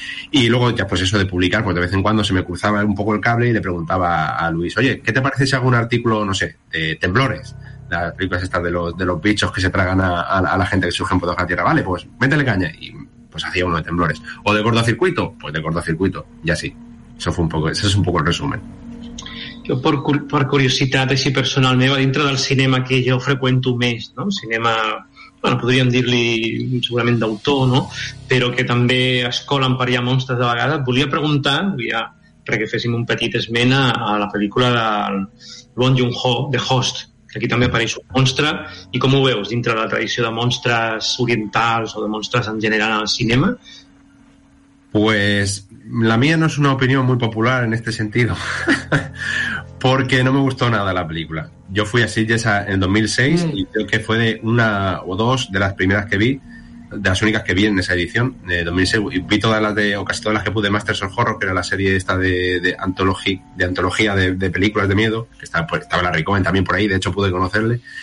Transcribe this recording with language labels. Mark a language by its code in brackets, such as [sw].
[es] Y luego ya pues eso de publicar, pues de vez en cuando se me cruzaba un poco el cable y le preguntaba a Luis, oye, ¿qué te parece si hago un artículo, no sé, de temblores? Las películas estas de los bichos que se tragan a la gente que surgen por la tierra. Vale, pues métele caña. Y pues hacía uno de temblores. ¿O de cortocircuito? Pues de cortocircuito, y así. Ese [ca] és un poc [es] el resumen. [ca] Jo, per curiositat així personal meva, dintre del cinema que jo freqüento més, no? Cinema, bueno, podríem dir-li segurament d'autor, no? Però que també es colen per allà monstres de vegades, volia preguntar, ja, perquè féssim un petit esmena a la pel·lícula de Bong Joon-ho, The Host, que aquí també apareix un monstre, i com ho veus dintre de la tradició de monstres orientals o de monstres en general al cinema? [es] Pues la mía no es una opinión muy popular en este sentido, porque no me gustó nada la película. Yo fui a Sitges en 2006 y creo que fue de una o dos de las primeras que vi, de las únicas que vi en esa edición de 2006. Y vi todas las de, o casi todas las que pude, Masters of Horror, que era la serie esta de antología de películas de miedo, que estaba la Ricomen también por ahí, de hecho pude conocerle.